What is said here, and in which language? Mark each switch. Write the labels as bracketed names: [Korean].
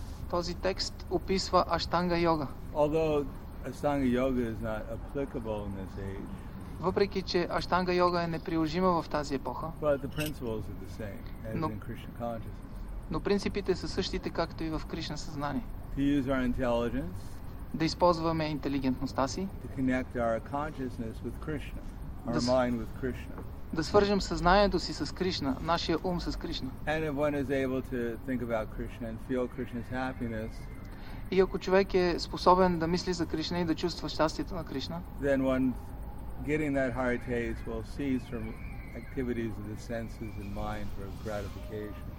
[Bulgarian] Този текст описва Ashtanga Yoga. [English] Although Ashtanga Yoga is not applicable in this age. [Bulgarian] Въпреки че Ashtanga Yoga е неприложима в тази епоха. [English] But the principles are the same as in Krishna consciousness. [Bulgarian] Но принципите са същите както и в Кришна съзнание. [English] To use our intelligence. [Bulgarian] Да използваме интелигентността си. [English] To connect our consciousness with Krishna, our mind with Krishna. [Bulgarian] Да свържем съзнанието си с Кришна, нашия ум с Кришна. [English] And if one is able to think about Krishna and feel Krishna's happiness. [Bulgarian] И ако човек е способен да мисли за Кришна и да чувства щастието на Кришна, [English] then one getting that higher taste will cease from activities of the senses and mind for gratification.